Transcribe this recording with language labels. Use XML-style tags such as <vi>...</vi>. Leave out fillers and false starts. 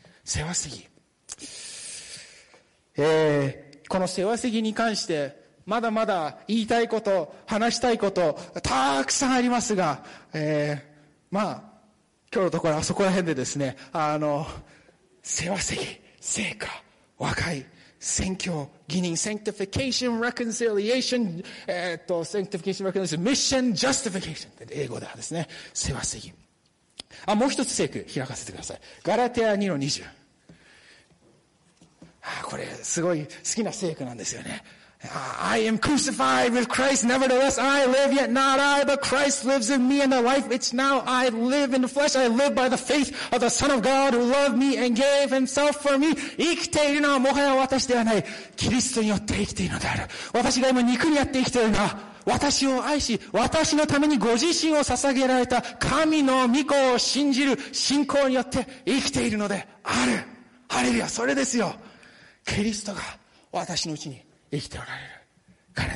<ja>世話せぎ、この世話せぎに関してまだまだ言いたいこと、話したいことたくさんありますが、まあ今日のところはそこら辺でですね、世話せぎ、聖歌、和解、宣教、義人、</ja> <en>sanctification, reconciliation, sanctification, reconciliation, mission, justification,</en> <ja>英語ではですね、世話せぎ。あ、もう一つ聖句開かせてください。ガラテア 2-20。これすごい好きな聖句なんですよね。</ja> <en>I am crucified with Christ, nevertheless I live, yet not I, but Christ lives in me, and the life which now I live in the flesh, I live by the faith of the Son of God who loved me and gave himself for me.</en> <ja>生きているのはもはや私ではない、キリストによって生きているのである。私が今肉にやって生きているのは、私を愛し私のためにご自身を捧げられた神の御子を信じる信仰によって生きているのである。ハレルヤ、それですよ。キリストが私のうちに生きておられる。</ja>